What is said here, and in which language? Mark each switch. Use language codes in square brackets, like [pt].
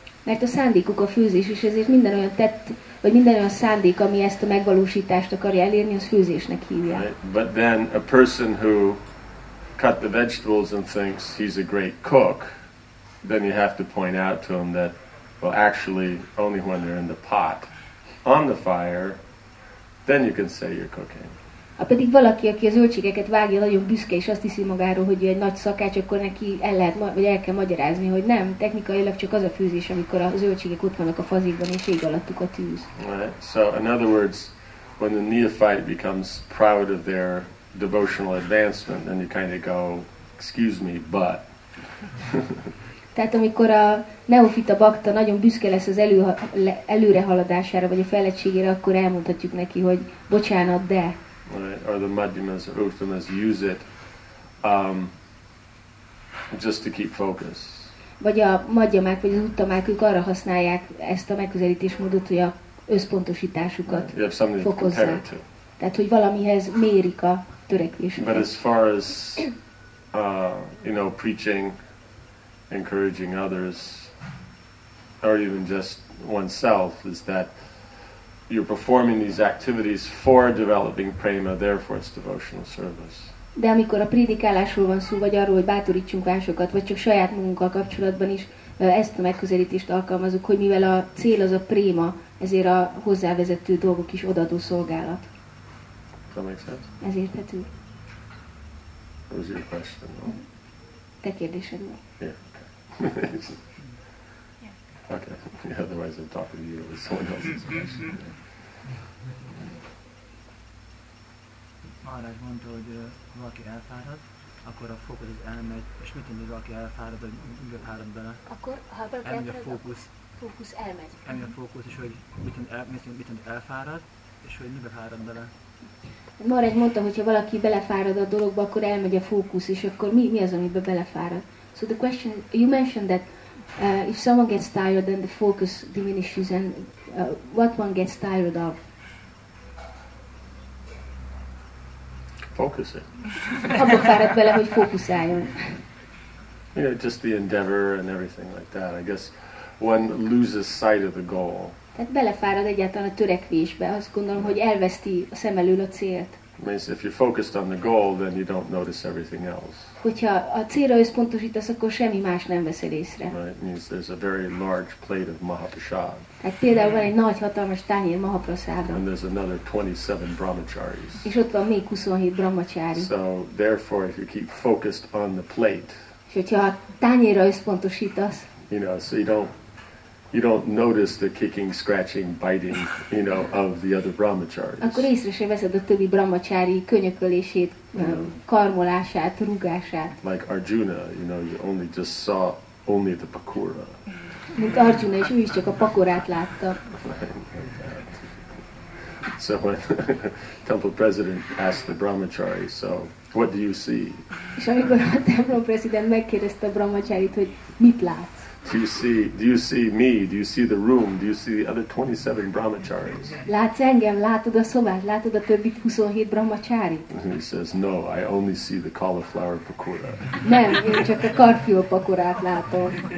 [hu] Mert a szándékuk a főzés, és ezért minden olyan tett, vagy minden olyan szándék, ami ezt a megvalósítást akarja elérni, az főzésnek hívja. [en] Right. But then a person who cut the vegetables and thinks he's a great cook, then you have to point out to him that, well, actually only when they're in the pot on the fire, then you can say you're cooking. [hu] Ha pedig valaki, aki a zöldségeket vágja, nagyon büszke, és azt hiszi magáról, hogy egy nagy szakács, akkor neki el lehet, vagy el kell magyarázni, hogy nem, technikailag csak az a főzés, amikor a zöldségek ott vannak a fazékban, és ég alattuk a tűz. [en] Right. So, in other words, when the neophyte becomes proud of their devotional advancement, then you kind of go, excuse me, but... [hu] Tehát amikor a neofita bakta nagyon büszke lesz az előrehaladására, vagy a fejlettségére, akkor elmondhatjuk neki, hogy bocsánat, de... [en] Right, or the madhyamas or uttamas use it just to keep focus. [hu] Vagy a madhyamák vagy az uttamák, ők arra használják ezt a megközelítésmódot, hogy a összpontosításukat fokozzák. Tehát hogy valamihez mérik a törekvésüket. [en] But as far as you know, preaching, encouraging others, or even just oneself, is that you're performing these activities for developing prema, therefore it's devotional service. [hu] De amikor a prédikálásról van szó, vagy arról, hogy bátorítsunk másokat, vagy csak saját magunkkal kapcsolatban is, ezt a megközelítést alkalmazunk, hogy mivel a cél az a prema, ezért a hozzávezető dolgok is odaadó szolgálat. [en] That makes sense? [hu] Ez érthető. [en] What was your question, no? [hu] Te kérdésed volt. [en] Yeah. Okay, yeah, otherwise I'm talking to you with someone else's question. [hu] Maharaj mondta, hogy valaki elfárad, akkor a fókusz elmegy, és mit tudni, hogy valaki elfárad, vagy mivel fárad bele? Akkor, ha valaki elfárad, a fókusz elmegy. Elmegy a fókusz, és hogy mit tudni, elfárad, és hogy mivel fárad bele? Maharaj mondta, hogy ha valaki belefárad a dologba, akkor elmegy a fókusz, és akkor mi az, amiben belefárad? [en] So the question, you mentioned that if someone gets tired, then the focus diminishes, and what one gets tired of? Focusing. [hu] Abba fáradt bele, hogy fókuszáljon. [en] You know, just the endeavor and everything like that. I guess one loses sight of the goal. [hu] Tehát belefárad egyáltalán a törekvésbe. Azt gondolom, hogy elveszti a szem elől a célt. [en] means if you're focused on the goal, then you don't notice everything else. [hu] Hogyha a célra összpontosítasz, akkor semmi más nem veszel észre. [en] Right, means there's a very large plate of Mahaprasad. [hu] Tehát például van egy nagy, hatalmas tányér Mahaprasad. [en] And there's another 27 brahmacharis. [hu] És ott van még 27 brahmachari. [en] So, therefore, if you keep focused on the plate, [hu] és hogyha a tányérra összpontosítasz, [en] you know, so you don't notice the kicking, scratching, biting, you know, of the other brahmacharis. [hu] Akkor észre sem veszed a többi brahmachari könyökölését, karmolását, rugását. [en] Like Arjuna, you know, you only just saw only the pakura. [hu] Mint Arjuna, és ő is csak a pakorát látta. [en] So when temple president asked the brahmachari, so what do you see? [hu] És amikor a templom president megkérdezte a brahmacharit, hogy mit látsz? [en] Do you see me? Do you see the room? Do you see the other 27 brahmacharis? [hu] Látsz engem? Látod a szobát? Látod a többi 27 brahmacharit? [en] And he says, no, I only see the cauliflower pakora. [hu] Nem, én csak a karfiol pakorát látom.